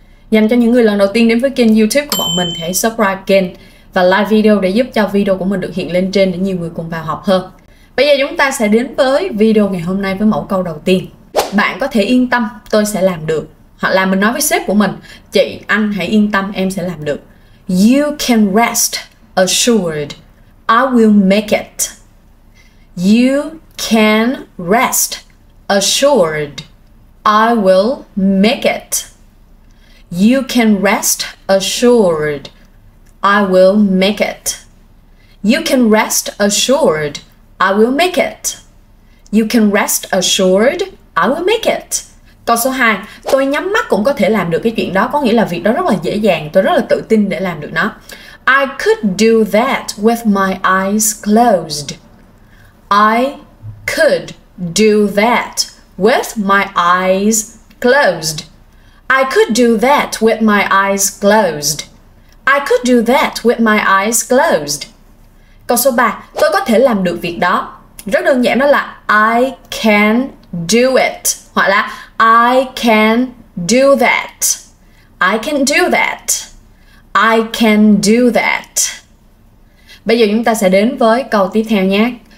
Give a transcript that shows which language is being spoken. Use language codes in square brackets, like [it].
[vi] Dành cho những người lần đầu tiên đến với kênh YouTube của bọn mình thì hãy subscribe kênh và like video để giúp cho video của mình được hiện lên trên để nhiều người cùng vào học hơn. Bây giờ chúng ta sẽ đến với video ngày hôm nay với mẫu câu đầu tiên. Bạn có thể yên tâm, tôi sẽ làm được. Hoặc là mình nói với sếp của mình, chị, anh hãy yên tâm, em sẽ làm được. [en] You can rest assured, I will make it. You can rest assured, I will make it. You can rest assured, I will make it. You can rest assured, I will make it. You can rest assured, I will make it. [vi] Câu số 2, tôi nhắm mắt cũng có thể làm được cái chuyện đó, có nghĩa là việc đó rất là dễ dàng, tôi rất là tự tin để làm được nó. [en] I could do that with my eyes closed. I could do that with my eyes closed. I could do that with my eyes closed. I could do that with my eyes closed. [vi] Câu số 3, tôi có thể làm được việc đó. Rất đơn giản, đó là [en] I can do it. [vi] Hoặc là [en] I can do that. I can do that. I can do that. [vi] Bây giờ chúng ta sẽ đến với câu tiếp theo nhé.